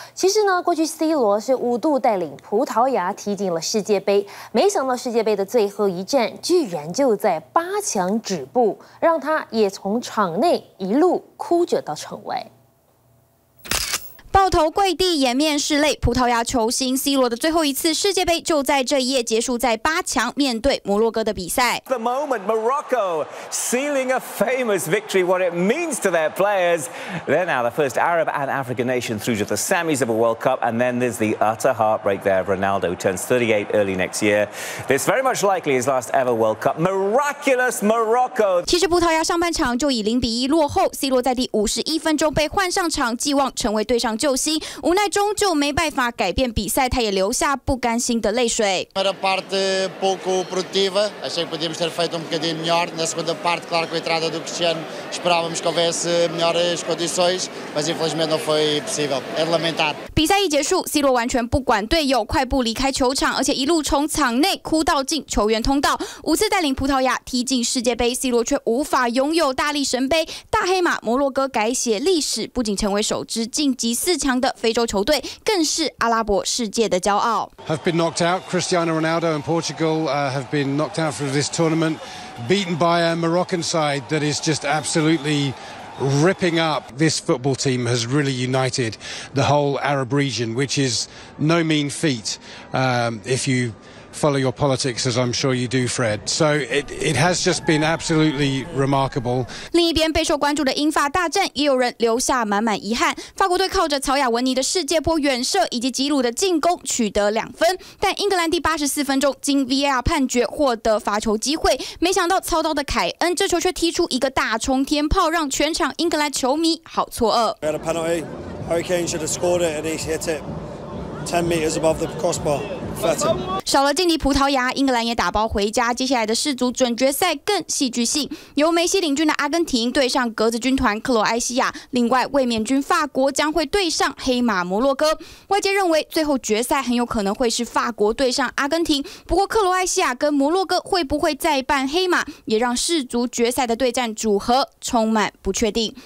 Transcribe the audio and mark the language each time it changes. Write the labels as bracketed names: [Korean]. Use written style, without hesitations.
[Chinese] 其实呢，过去 C 罗是5度带领葡萄牙踢进了世界杯，没想到世界杯的最后一战居然就在八强止步，让他也从场内一路哭着到场外，抱头跪地，掩面拭泪。葡萄牙球星 C 罗的最后一次世界杯就在这一夜结束，在八强面对摩洛哥的比赛。 [English] The moment Morocco sealing a famous victory, what it means to their players. They're now the first Arab and African nation through to the semis of a World Cup, and then there's the utter heartbreak there. Ronaldo turns 38 early next year. This very much likely his last ever World Cup. Miraculous Morocco. [Chinese] 其实葡萄牙上半场就以0-1落后 ，C 罗在第51分钟被换上场，寄望成为队上救星，无奈终究没办法改变比赛，他也留下不甘心的泪水。 [Portuguese] Era parte pouco produtiva, achei que podíamos ter feito bocadinho melhor. Na segunda parte, claro, com a entrada do Cristiano, esperávamos que houvesse melhores condições, mas infelizmente não foi possível. É de lamentar. [Chinese] 比赛一结束 ，C 罗完全不管队友，快步离开球场，而且一路从场内哭到进球员通道。五次带领葡萄牙踢进世界杯 ，C 罗却无法拥有大力神杯。大黑马摩洛哥改写历史，不仅成为首支晋级四强的非洲球队，更是阿拉伯世界的骄傲。 [English] Have been knocked out. Cristiano Ronaldo and Portugal have been knocked out from this tournament, beaten by a Moroccan side that is just absolutely ripping up. This football team has really united the whole Arab region, which is no mean feat. If you follow your politics, as I'm sure you do, Fred. So it has just been absolutely remarkable. [Chinese] 另一边备受关注的英法大战，也有人留下满满遗憾。法国队靠着曹雅文尼的世界波远射以及吉鲁的进攻取得2分，但英格兰第84分钟经 VAR 判决获得罚球机会，没想到操刀的凯恩这球却踢出一个大冲天炮，让全场英格兰球迷好错愕。 [English] We had a penalty. Harry Kane should have scored it, and he hit it 10 meters above the crossbar. [Chinese] 少了劲敌葡萄牙，英格兰也打包回家。接下来的世足准决赛更戏剧性，由梅西领军的阿根廷对上格子军团克罗埃西亚，另外卫冕军法国将会对上黑马摩洛哥。外界认为最后决赛很有可能会是法国对上阿根廷，不过克罗埃西亚跟摩洛哥会不会再扮黑马，也让世足决赛的对战组合充满不确定。